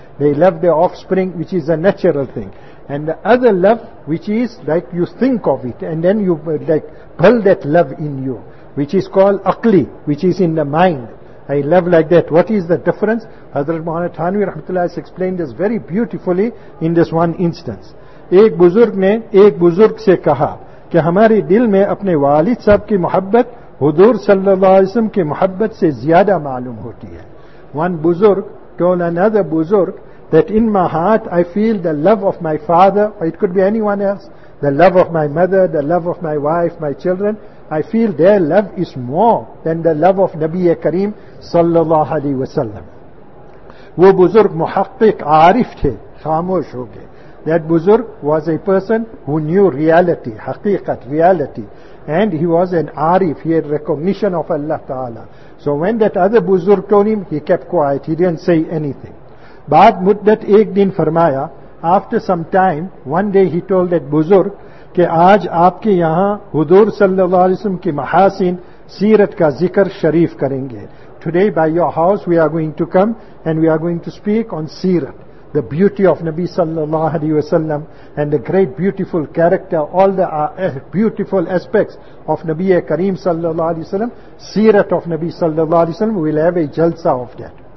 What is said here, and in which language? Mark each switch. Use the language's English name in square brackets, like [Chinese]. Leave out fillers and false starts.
[English] They love their offspring, which is a natural thing. And the other love, which is like you think of it, and then you like build that love in you, which is called aqli, which is in the mind. A love like that, what is the difference? Hazrat Muhammad Thanvi rahmatullah has explained this very beautifully in this one instance. [Urdu] Ek buzurg ne ek buzurg se kaha, کہ ہمارے دل میں اپنے والد صاحب کی محبت حضور صلی اللہ علیہ وسلم کی محبت سے زیادہ معلوم ہوتی ہے. [English] One بزرگ told another بزرگ that in my heart I feel the love of my father, or it could be anyone else, the love of my mother, the love of my wife, my children, I feel their love is more than the love of Nabi Kareem صلی اللہ علیہ وسلم. [Urdu] وہ بزرگ محقق عارف تھے, خاموش ہو گئے. [English] That بزرگ was a person who knew reality, حقیقت, reality. And he was an عارف, he had recognition of Allah Ta'ala. So when that other بزرگ told him, he kept quiet, he didn't say anything. [Urdu] بعد مدت ایک دن فرمایا, [English] after some time, one day he told that [Urdu] بزرگ کہ آج آپ کے یہاں حضور صلی اللہ علیہ وسلم کی محاسن سیرت کا ذکر شریف کریں گے. [English] Today by your house we are going to come and we are going to speak on سیرت, the beauty of Nabi sallallahu alayhi wa sallam and the great beautiful character, all the beautiful aspects of Nabi Kareem sallallahu alayhi wa sallam, سیرت of Nabi sallallahu alayhi wa sallam, we'll have a jalsa of that.